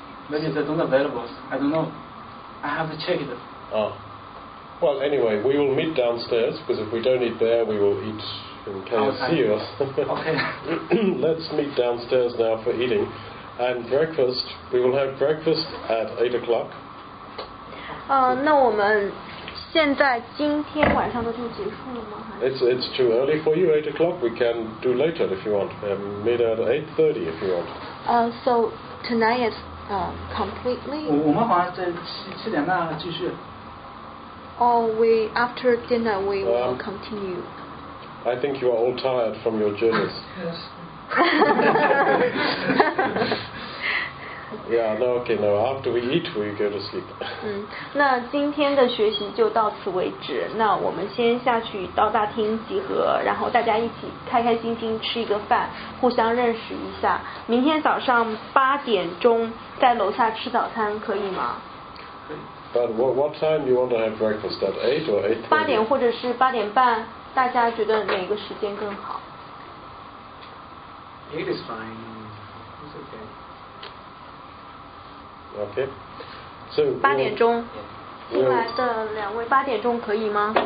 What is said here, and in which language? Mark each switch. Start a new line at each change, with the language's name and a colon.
English: Maybe they don't available. I don't know. I have to check it. Oh. Well, anyway, we will meet downstairs because if we don't eat there, we will eat in KFC. Okay. Let's meet downstairs now for eating. And breakfast, we will have breakfast at 8 o'clock.
Chinese: 那我们现在今天晚上的就结束了吗
English: It's too early for you, 8 o'clock. We can do later if you want. Meet at 8:30 if you want. So, tonight is... completely.
Chinese: 我们好像在七点半继续。
English: Oh, we after dinner we will continue. I think you are all tired from your journeys. Yes. Yeah, no, okay, no. After we eat, we go to sleep.
Chinese: 那今天的学习就到此为止。那我们先下去到大厅集合，然后大家一起开开心心吃一个饭，互相认识一下。明天早上8点在楼下吃早餐，可以吗？
English: But what time do you want to have breakfast? At 8 or 8:30?
Chinese: 8点或者是8:30，大家觉得哪个时间更好？
English: 8 is fine. It's okay. Okay. So,
Chinese: 8点新来的两位8点可以吗？